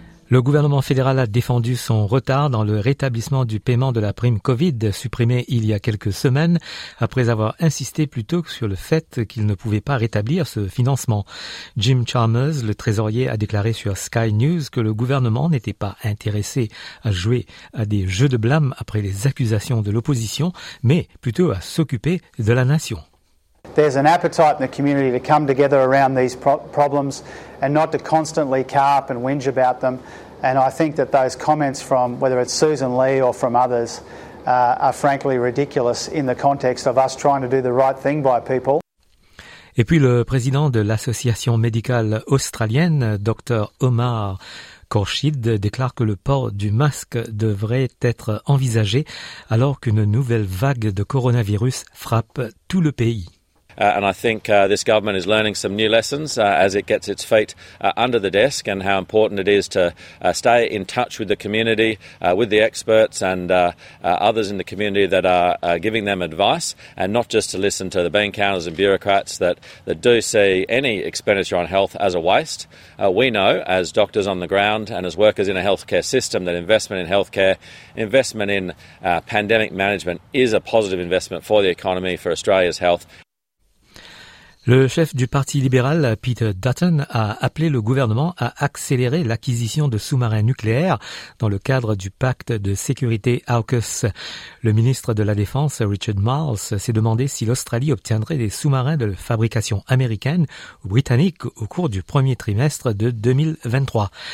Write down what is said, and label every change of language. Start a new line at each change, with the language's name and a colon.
French: Le gouvernement fédéral a défendu son retard dans le rétablissement du paiement de la prime Covid supprimée il y a quelques semaines après avoir insisté plutôt sur le fait qu'il ne pouvait pas rétablir ce financement. Jim Chalmers, le trésorier, a déclaré sur Sky News que le gouvernement n'était pas intéressé à jouer à des jeux de blâme après les accusations de l'opposition, mais plutôt à s'occuper de la nation.
English: There's an appetite in the community to come together around these problems and not to constantly carp and whinge about them. And I think that those comments from, whether it's Susan Lee or from others, are frankly ridiculous in the context of us trying to do the right thing by people.
French: Et puis le président de l'Association médicale australienne, Dr Omar Khorshid, déclare que le port du masque devrait être envisagé alors qu'une nouvelle vague de coronavirus frappe tout le pays.
English: And I think this government is learning some new lessons as it gets its feet under the desk and how important it is to stay in touch with the community, with the experts and others in the community that are giving them advice and not just to listen to the bean counters and bureaucrats that do see any expenditure on health as a waste. We know as doctors on the ground and as workers in a healthcare system that investment in healthcare, investment in pandemic management is a positive investment for the economy, for Australia's health.
French: Le chef du Parti libéral, Peter Dutton, a appelé le gouvernement à accélérer l'acquisition de sous-marins nucléaires dans le cadre du pacte de sécurité AUKUS. Le ministre de la Défense, Richard Marles, s'est demandé si l'Australie obtiendrait des sous-marins de fabrication américaine ou britannique au cours du premier trimestre de 2023.